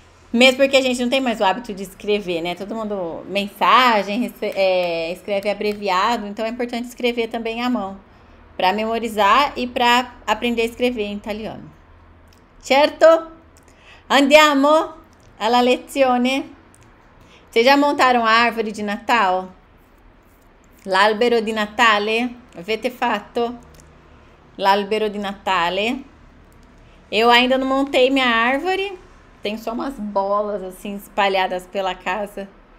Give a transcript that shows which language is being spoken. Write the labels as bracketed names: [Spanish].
[Portuguese] Mesmo porque a gente não tem mais o hábito de escrever, né? Todo mundo, mensagem, escreve abreviado. Então, é importante escrever também à mão para memorizar e para aprender a escrever em italiano. Certo? [Italian] Andiamo alla lezione. [Portuguese] Vocês já montaram a árvore de Natal? [Italian] L'albero di Natale? Avete fatto l'albero di Natale? [Portuguese] Eu ainda não montei minha árvore. Tem só umas bolas assim espalhadas pela casa.